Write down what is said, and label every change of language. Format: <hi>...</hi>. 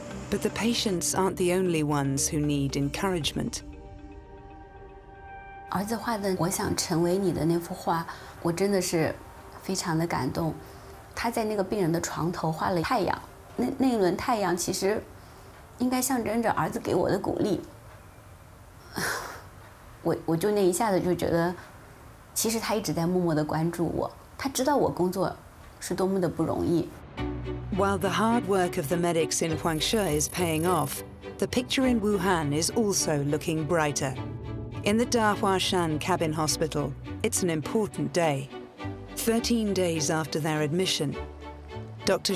<en>But the patients aren't the only ones who need encouragement.</en> <zh>儿子画的《我想成为你》的那幅画，我真的是非常的感动。他在那个病人的床头画了太阳，那一轮太阳其实应该象征着儿子给我的鼓励。我就那一下子就觉得，其实他一直在默默的关注我，他知道我工作是多么的不容易。</zh> <en>While the hard work of the medics in Huangshe is paying off, The picture in Wuhan is also looking brighter. In the Dahuashan Cabin Hospital, it's an important day. 13 days after their admission, Dr.</en>